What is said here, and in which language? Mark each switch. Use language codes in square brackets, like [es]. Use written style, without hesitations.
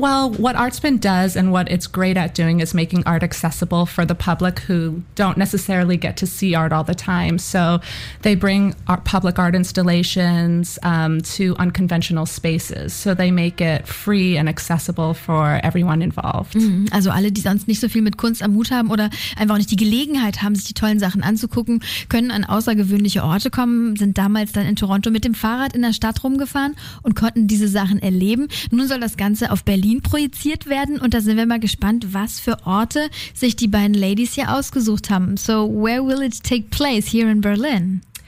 [en] Well, what Artspin does and what it's great at doing is making art accessible for the public who don't necessarily get to see art all the time. So they bring art, public art installations to unconventional spaces. So they make it free and accessible for everyone involved. Mm-hmm. [de] Also alle, die sonst nicht so viel mit Kunst am Hut haben oder einfach nicht die Gelegenheit haben, sich die tollen Sachen anzugucken, können an außergewöhnliche Orte kommen, sind damals dann in Toronto mit dem Fahrrad in der Stadt rumgefahren und konnten diese Sachen erleben. Nun soll das Ganze auf Berlin projiziert werden und da sind wir mal gespannt, was für Orte sich die beiden Ladies hier ausgesucht haben. [en] So where will it take place here in Berlin?